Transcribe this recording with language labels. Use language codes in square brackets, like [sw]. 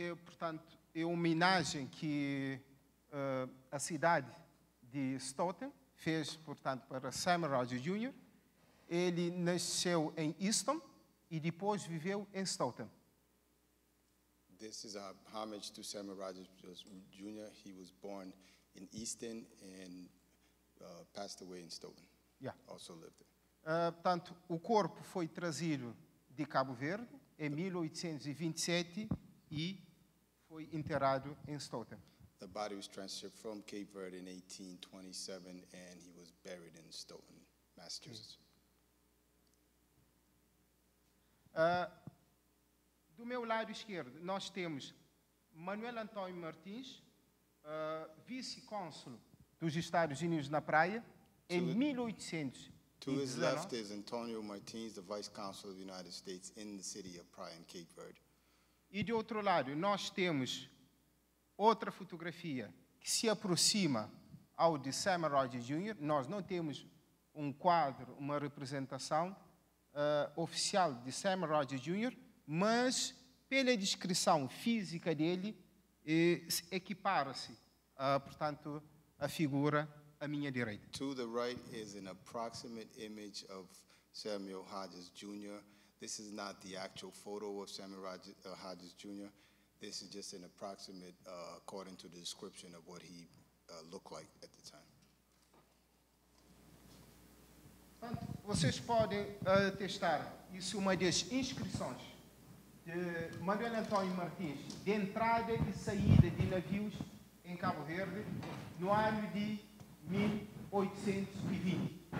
[pt] Portanto, é uma homenagem que a cidade de Stoughton fez, portanto, para Samuel Rogers Jr. Ele nasceu em Easton e depois viveu em Stoughton. [en] This is a homage to Samuel Rogers Jr. He was born in Easton and passed away in Stoughton. Yeah. Also lived there. [pt] Portanto, o corpo foi trazido de Cabo Verde em 1827 e foi enterrado em Stoughton. [en] The body was transferred from Cape Verde in 1827 and he was buried in Stoughton, Massachusetts. [pt] Do meu lado esquerdo, nós temos Manuel Antônio Martins, vice-cônsul dos Estados Unidos na Praia, em 1800. [en] To his left is Antonio Martins, the Vice Consul of the United States in the city of Praia, in Cape Verde. [pt] E de outro lado, nós temos outra fotografia que se aproxima ao de Samuel Rogers Jr. Nós não temos quadro, uma representação oficial de Samuel Rogers Jr., mas pela descrição física dele, equipara-se, portanto, a figura à minha direita. [en] To the right is an approximate image of Samuel Rogers Jr. This is not the actual photo of Samuel Rogers Jr. This is just an approximate, according to the description of what he looked like at the time. [pt] Vocês podem testar isso, uma das inscrições de Manuel Antônio Martins de entrada e saída de navios em Cabo Verde no ano de 1820.